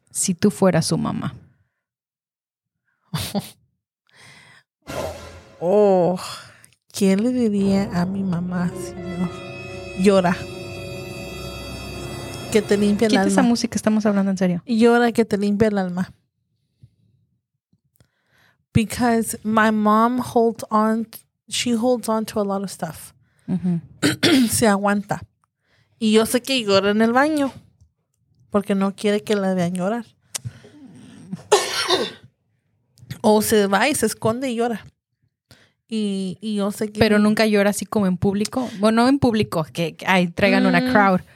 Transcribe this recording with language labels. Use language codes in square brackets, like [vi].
[es] Si tú fueras su mamá. Oh, ¿qué le diría a mi mamá? Llora. Que te limpie el alma. Quita esa música, estamos hablando en serio. Llora, que te limpie el alma. [en] Because my mom holds on to a lot of stuff. [es] Mm-hmm. Se aguanta. Y yo sé que llora en el baño. Porque no quiere que la vean llorar. O se va y se esconde y llora. Y yo sé que... ¿Pero nunca llora así como en público? Bueno, en público, que ay, traigan una crowd.